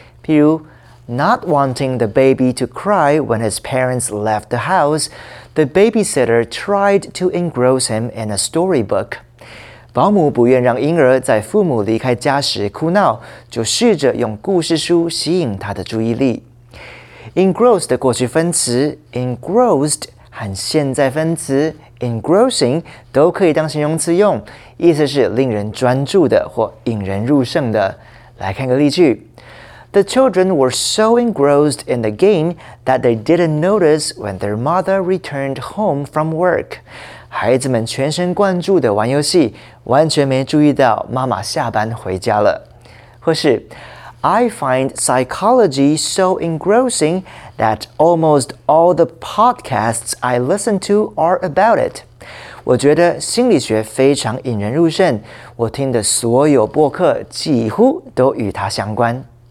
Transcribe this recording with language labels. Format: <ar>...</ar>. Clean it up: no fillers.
<zh>譬如</zh> <en>not wanting the baby to cry when his parents left the house, the babysitter tried to engross him in a storybook.</en> <zh>保姆不愿让婴儿在父母离开家时哭闹，就试着用故事书吸引他的注意力。 Engrossed 的过去分词 engrossed 和现在分词 engrossing 都可以当形容词用，意思是令人专注的或引人入胜的。来看个例句</zh> <en>：The children were so engrossed in the game that they didn't notice when their mother returned home from work.</en> <zh>孩子们全神贯注的玩游戏，完全没注意到妈妈下班回家了。或是</zh> <en>I find psychology so engrossing that almost all the podcasts I listen to are about it.</en> <zh>我觉得心理学非常引人入胜，我听的所有播客几乎都与它相关。</zh>